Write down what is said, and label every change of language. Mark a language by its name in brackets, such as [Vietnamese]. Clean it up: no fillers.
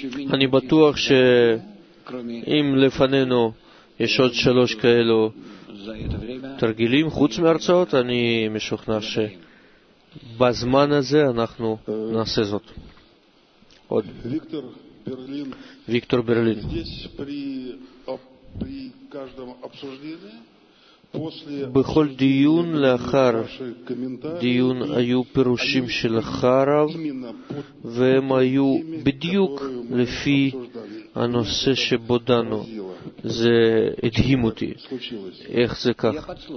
[Hebrew] אני בטוח שאם לפנינו יש עוד שלוש כאלו תרגילים חוץ מהרצאות, אני משוכנע ש בזמן הזה אנחנו נעשה זאת. עוד. [Russian] Виктор Берлин. Виктор Берлин. Здесь при каждом обсуждении после [Hebrew] בכל דיון לאחר דיון היו פירושים של חרב, והם היו בדיוק לפי הנושא שבו דנו. זה הדהים אותי. איך זה כך?